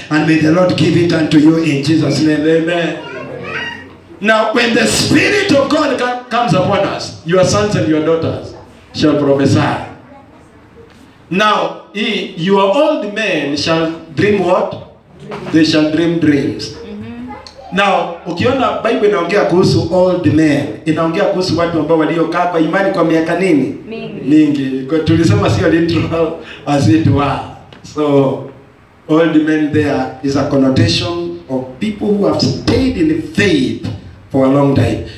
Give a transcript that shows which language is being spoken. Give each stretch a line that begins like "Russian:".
English: And may the Lord give it unto you in Jesus' name. Amen. Amen. Now, when the Spirit of God comes upon us, your sons and your daughters shall prophesy. Now, your old men shall dream what? They shall dream dreams.
Swahili: Now, ukiona Bible inaongea kuhusu old men, inaongea kuhusu watu ambao waliokaa kwa imani kwa miaka nini? Mingi. Kwa tulisema sio
English: literal as it were. So, old men there is a connotation of people who have stayed in faith for a long time.